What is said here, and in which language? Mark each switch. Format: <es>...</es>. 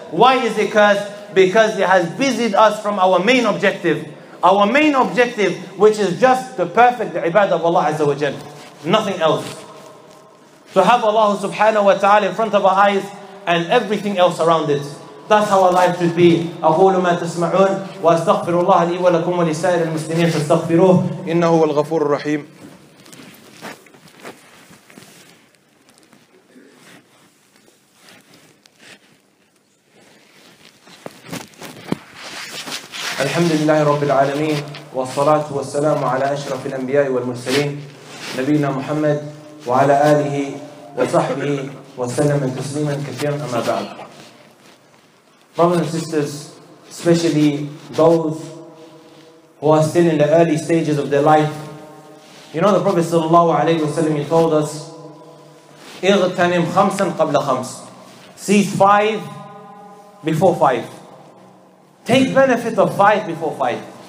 <en>Why is it cursed? Because it has busied us from our main objective. Our main objective, which is just the perfect ibadah of Allah Azza wa Jal. Nothing else. To have Allah subhanahu wa ta'ala in front of our eyes and everything else around it. That's how our life should be.</en> <ar>أقول ما تسمعون وأستغفر الله لي ولكم ولسائر المسلمين فاستغفروه إنه هو الغفور الرحيم. الحمد لله رب العالمين والصلاة والسلام على أشرف الأنبياء والمرسلين نبينا محمد وعلى آله وصحبه وسلم تسليما كثيرا أما بعد.</ar> <en>Brothers and sisters, especially those who are still in the early stages of their life, you know the Prophet sallallahu alayhi wa sallam, he told us,</en> <ar>اغتنم خمسا قبل خمس.</ar> <en>Seize five before five. Take benefit of five before five.</en>